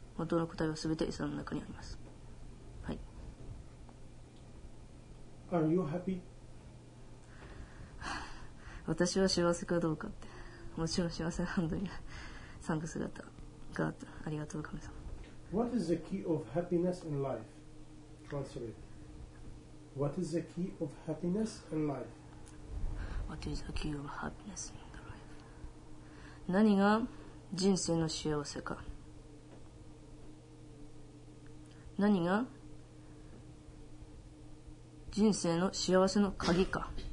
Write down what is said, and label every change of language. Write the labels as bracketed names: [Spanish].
[Japanese] 本当の答えは全てイスラムの中にあります。はい。 [English] Are you happy? [Japanese] 私は幸せかどうかって、もちろん幸せなんだよ。サンクスガタガータ、ありがとう神様。 [English] What is the key of happiness in life? Translate. What is the key of happiness in life? What is the key of happiness in the life? [Japanese] 何が人生の幸せか、何が人生の幸せの鍵か、